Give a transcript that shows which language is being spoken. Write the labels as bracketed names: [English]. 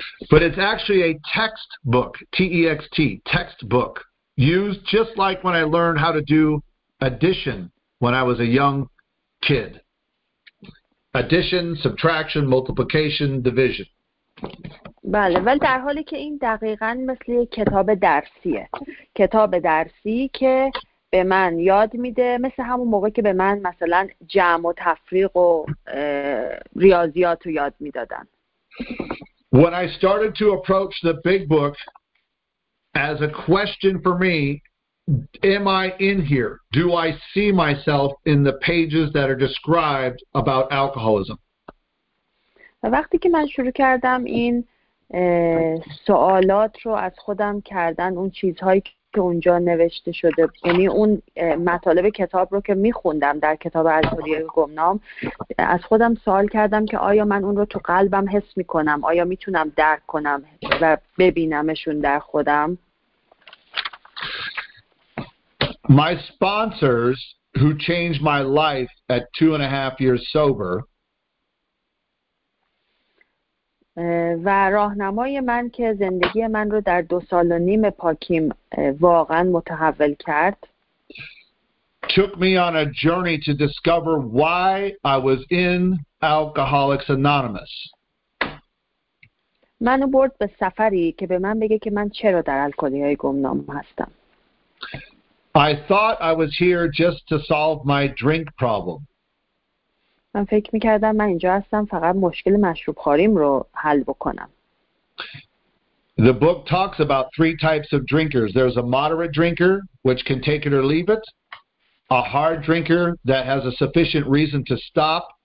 [English] But it's actually a textbook, T-E-X-T, textbook, used just like when I learned how to do addition when I was a young kid. Addition, subtraction, multiplication, division. [Persian] بله، ولی در حالی که این دقیقاً مثل یک کتاب درسیه. کتاب درسی که به من یاد میده، مثل همون موقع که به من مثلا جمع و تفریق و ریاضیات رو یاد میدادن. [English] When I started to approach the big book as a question for me, am I in here? Do I see myself in the pages that are described about alcoholism? [Persian] وقتی که من شروع کردم این سوالات رو از خودم کردن، اون چیزهایی که اونجا نوشته شده، یعنی اون مطالب کتاب رو که میخوندم در کتاب الکلی گمنام، از خودم سوال کردم که آیا من اون رو تو قلبم حس میکنم، آیا میتونم درک کنم و ببینمشون در خودم. [English] My sponsors who changed my life at 2.5 years sober. [Persian] و راهنمای من که زندگی من رو در 2.5 سال پاکیم واقعا متحول کرد. [English] Took me on a journey to discover why I was in Alcoholics Anonymous. [Persian] منو برد به سفری که به من بگه که من چرا در الکلی‌های گمنام هستم. [English] I thought I was here just to solve my drink problem. [Persian] من فکر میکردم من اینجا هستم فقط مشکل مشروب خوریم رو حل بکنم. [English] The book talks about three types of drinkers. There's a moderate drinker, which can take it or leave it. A hard drinker that has a sufficient reason to stop.